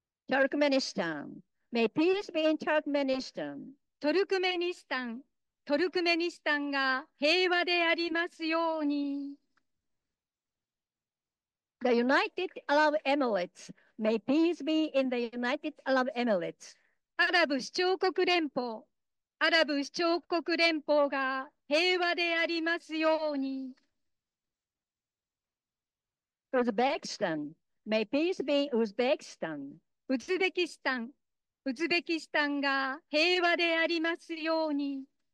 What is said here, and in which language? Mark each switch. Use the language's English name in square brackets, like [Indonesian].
[English] Turkmenistan. May peace be in Turkmenistan. [Japanese] トルクメニスタン, トルクメニスタンが平和でありますように。 [English] The United Arab Emirates. May peace be in the United Arab Emirates. [Japanese] アラブ首長国連邦。アラブ首長国連邦が平和でありますように。 [English] Uzbekistan. May peace be Uzbekistan. [Japanese] ウズベキスタン。ウズベキスタンが平和でありますように。